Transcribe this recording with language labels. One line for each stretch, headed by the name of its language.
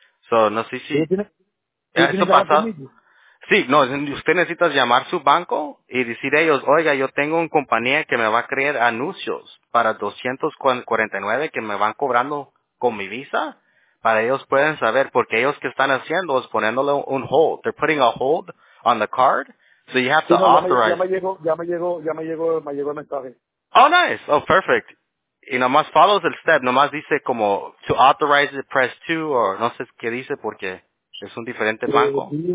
Spanish: So, no sé si eso pasa. Sí, no, usted necesita llamar su banco y decir a ellos, oiga, yo tengo una compañía que me va a crear anuncios para 249 que me van cobrando con mi visa, para ellos pueden saber, porque ellos que están haciendo es poniéndole un hold.
English: They're putting a hold on the card, so you have to authorize.
Spanish: Ya me llegó
English: el mensaje. Oh, nice. Oh, perfect.
Spanish: Y nomás follows el step, nomás dice como
English: to authorize it, press 2,
Spanish: o no sé qué dice porque es un diferente banco.